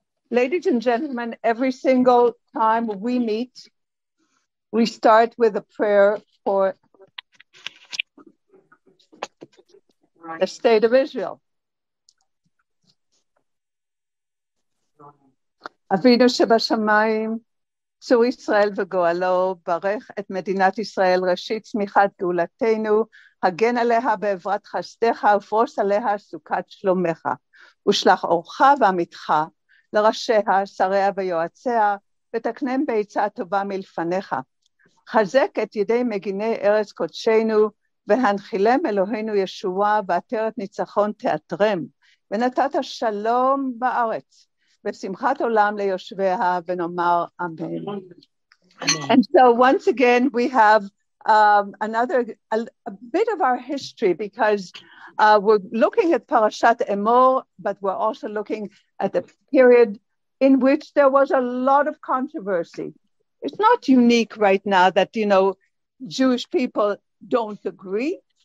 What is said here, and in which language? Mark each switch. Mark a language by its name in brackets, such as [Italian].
[English] Ladies and gentlemen, every single time we meet, we start with a prayer for the state of Israel. [Hebrew] Avinu shebashamayim, Tzur Yisrael v'goalo, barech et medinat Yisrael, rashit tzmichat geulatenu, הגן עליה בעברת חסדך, ופרוס עליה סוכת שלומך. ושלח אורך ועמיתך לראשיה, שריה ויועציה, ותקנם בעיצה טובה מלפניך. חזק את ידי מגיני ארץ קודשנו, והנחילם אלוהינו ישועה, ועטרת ניצחון תאתרם. ונתת שלום בארץ, ושמחת עולם ליושביה, ונאמר אמן. [English] And so once again we have a bit of our history, because we're looking at Parashat Emor, but we're also looking at the period in which there was a lot of controversy. It's not unique right now that, you know, Jewish people don't agree.